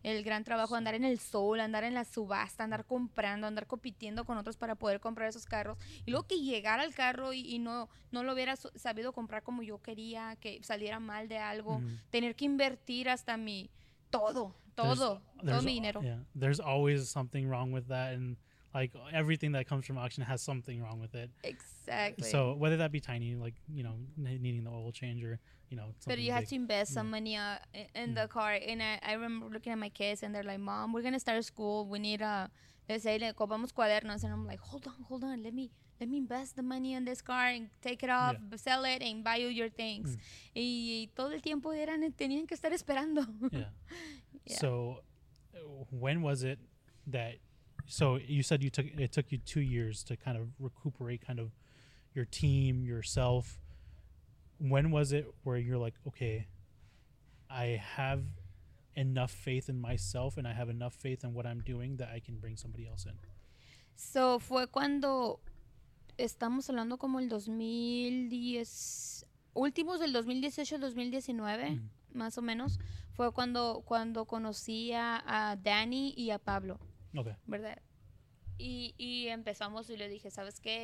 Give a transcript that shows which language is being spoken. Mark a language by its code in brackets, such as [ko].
[es] El gran trabajo, andar en el sol, andar en la subasta, andar comprando, andar compitiendo con otros para poder comprar esos carros. Y luego que llegara al carro y no lo hubiera sabido comprar como yo quería, que saliera mal de algo, tener que invertir hasta mi todo mi dinero. [en] Yeah. There's always something wrong with that. And like everything that comes from auction has something wrong with it. Exactly. So whether that be tiny, like, you know, needing the oil change or, you know, but you have to invest some money in the car. And I remember looking at my kids and they're like, Mom, we're going to start school. We need [es] ocupamos cuadernos. [en] And I'm like, hold on. Let me invest the money in this car and take it off, sell it and buy you your things. [es] Y todo el tiempo tenían que estar esperando. [en] Yeah. So when was it so you said it took you 2 years to kind of recuperate kind of your team, yourself. When was it where you're like, okay, I have enough faith in myself and I have enough faith in what I'm doing that I can bring somebody else in? [es] So fue cuando estamos hablando como el 2010, últimos del 2018, 2019, más o menos, fue cuando conocí a Danny y a Pablo. [en] Okay. [es] ¿Verdad? Y empezamos y le dije, ¿sabes qué?